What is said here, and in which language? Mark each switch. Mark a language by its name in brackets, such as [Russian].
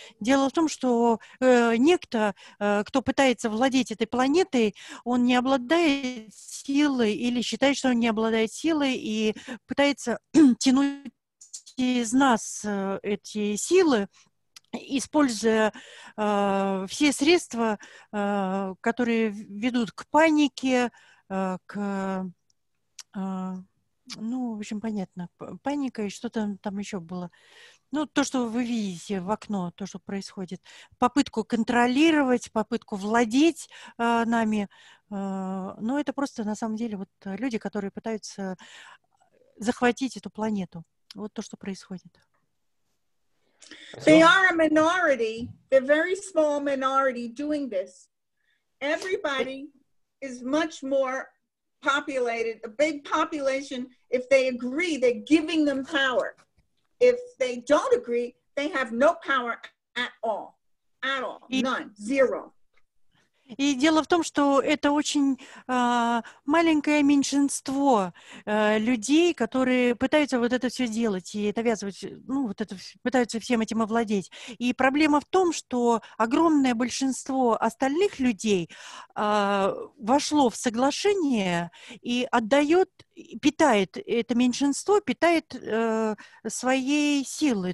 [Russian] Дело в том, что некто, кто пытается владеть этой планетой, он не обладает силой или считает, что он не обладает силой и пытается тянуть из нас эти силы, используя все средства, которые ведут к панике, понятно, паника и что-то там еще было. Ну, то, что вы видите в окно, то, что происходит. Попытку контролировать, попытку владеть нами. Но это просто, на самом деле, вот люди, которые пытаются захватить эту планету. Вот то, что происходит. [English] They are a minority, they're a very small minority doing this. Everybody is much more populated, a big population, if they agree, they're giving them power. If they don't agree, they have no power at all, none, zero. [Russian] И дело в том, что это очень маленькое меньшинство людей, которые пытаются вот это все делать и навязывать, ну, вот это, пытаются всем этим овладеть. И проблема в том, что огромное большинство остальных людей вошло в соглашение и питает это меньшинство своей силой.